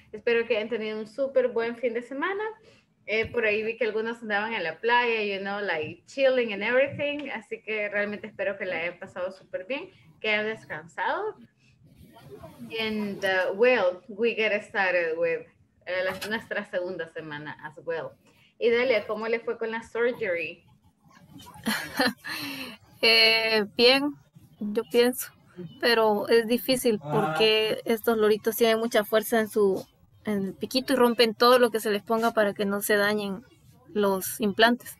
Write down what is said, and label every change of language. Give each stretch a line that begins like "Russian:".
Spanish: Espero que hayan tenido un super buen fin de semana. Por ahí vi que algunos andaban en la playa,
English: you know, like chilling and everything.
Spanish: Así que realmente espero que la hayan pasado super bien, que hayan descansado.
English: And well, we get started with
Spanish: nuestra segunda semana
English: as well.
Spanish: Y Dalia, ¿cómo le fue con la surgery? Bien, yo pienso, pero es difícil porque estos loritos tienen mucha fuerza en el piquito y rompen todo lo que se les ponga para que no se dañen los implantes.